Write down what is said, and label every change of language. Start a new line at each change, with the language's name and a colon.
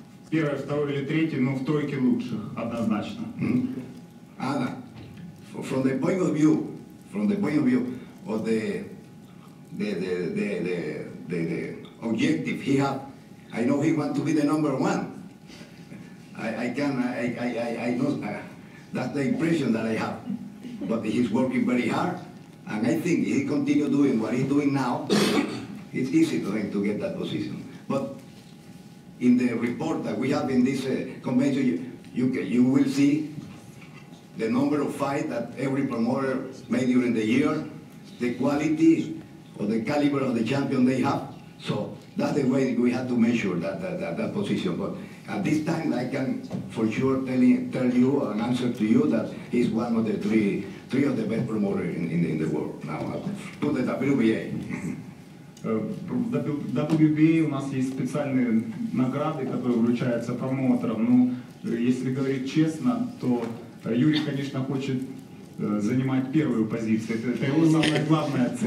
Russian: Первое, второе или третье, но в тройке лучших, однозначно.
English: Анна, from the point of view of the objective he had, I know he want to be the number one. I know that's the impression that I have. But he's working very hard, and I think he continue doing what he's doing now. It's easy for him to get that position, but in the report that we have in this convention, you will see the number of fights that every promoter made during the year, the quality or the caliber of the champion they have. So that's the way we have to measure that position. But at this time, I can for sure tell you and answer to you that he's one of the three of the best promoters in the world now, to the WBA.
Russian: В WBA у нас есть специальные награды, которые вручаются промоутерам. Но если говорить честно, то Юрий, конечно, хочет занимать первую позицию. Это его самая главная цель.